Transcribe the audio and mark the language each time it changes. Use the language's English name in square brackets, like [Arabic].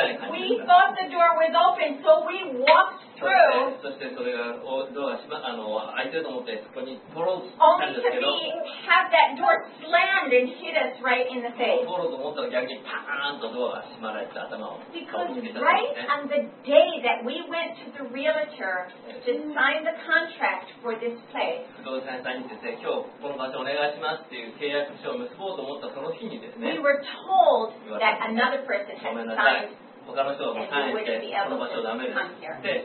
[English] we thought the door was open, so we walked through. [Japanese] そしてそれがドアが開いてると思ってそこに通ろうとしたんですけど。 [English] Only to be have that door slammed and hit us right in the face. [Japanese] 通ろうと思ったら逆にパーンとドアが閉まられて頭を。 [English] Because right on the day that we went to the realtor to sign the contract for this place. [Japanese] 不動産屋さんに先生今日この場所お願いしますっていう契約。 [English] We were told that another person had signed that we wouldn't be able to come here.